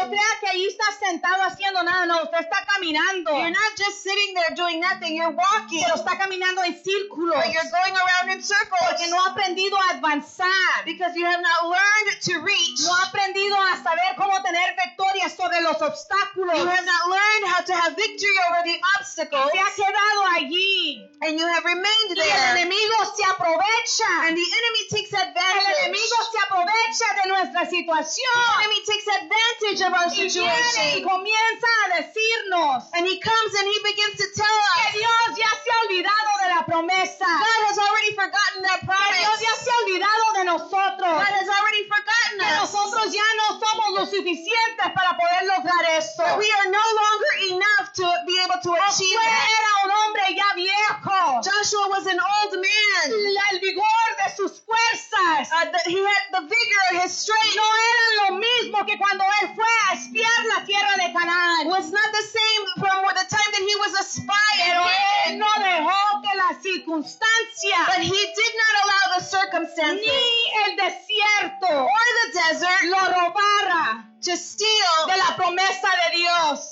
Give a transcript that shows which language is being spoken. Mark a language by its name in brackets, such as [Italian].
[Spanish] No crea que ahí está sentado haciendo nada. No, usted está caminando. [English] You're not just sitting there doing nothing. You're walking. [Spanish] Pero está caminando en círculos. [English] But you're going around in circles. [Spanish] Porque no ha aprendido a avanzar. [English] Because you have not learned to reach. [Spanish] No ha aprendido a saber cómo tener victoria sobre los obstáculos. [English] You have not learned how to have victory over the obstacles. [Spanish] Y se ha quedado allí. [English] And you have remained there. [Spanish] Y el enemigo se aprovecha. [English] And the enemy takes advantage. [Spanish] El enemigo se aprovecha de nuestra situación. [English] The enemy takes advantage of our situation. [Spanish] Y comienza a decirnos. [English] And he comes and he begins to tell us. [Spanish] Que Dios ya se ha olvidado de la promesa. [English] God has already forgotten that promise. [Spanish] Que Dios ya se ha olvidado de nosotros. [English] God has already forgotten [Spanish] que [English] us. [Spanish] Que nosotros ya no somos lo suficientes para poder lograr esto. [English] That we are no longer enough to be able to achieve [Spanish] that. Era un hombre ya viejo. [English] Joshua was an old man. [Spanish] El vigor de sus fuerzas. [English] He had the vigor of his strength. [Spanish] No era lo mismo que cuando él fue a espiar la tierra de Canaán. [English] Was not the same from the time that he was a spy. [Spanish] Pero él no dejó que la circunstancia. [English] But he did not allow the circumstances. [Spanish] Ni el desierto. [English] Or the desert. [Spanish] Lo robara. [English] To steal. [Spanish] De la promesa de Dios.